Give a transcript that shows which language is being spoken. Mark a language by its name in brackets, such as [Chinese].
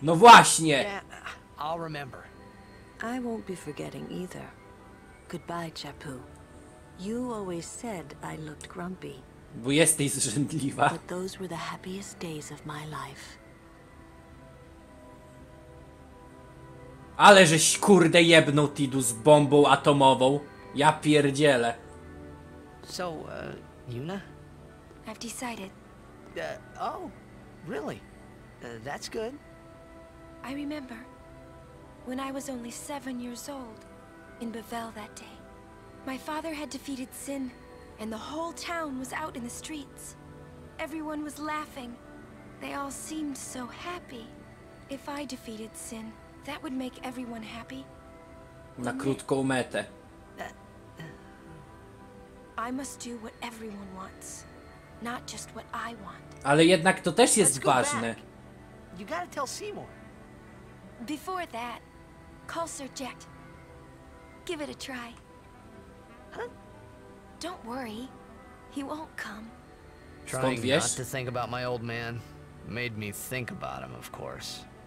[Polish] No właśnie. [English] Yeah, I'll remember. I won't be forgetting either. Goodbye, Chapu. You always said I looked grumpy. [Polish] Bo jesteś żądliwa. [English] But those were the happiest days of my life. [Polish] Ale żeś kurde jebnął Tidus bombą atomową. Ja pierdzielę. [English] So, Yuna? I've decided. Oh, really? That's good. I remember when I was only 7 years old in Bavel that day. My father had defeated Sin and the whole town was out in the streets. Everyone was laughing. They all seemed so happy. If I defeated Sin, that would make everyone happy. [Polish] Na krótką metę. [English] I must do what everyone wants, not just what I want. [Polish] Ale jednak to też jest ważne. [English] You gotta tell Seymour. Before that, call Sir Jet. Give it a try. Huh? Don't worry, he won't come. Trying not to think about my old man made me think about him, of course.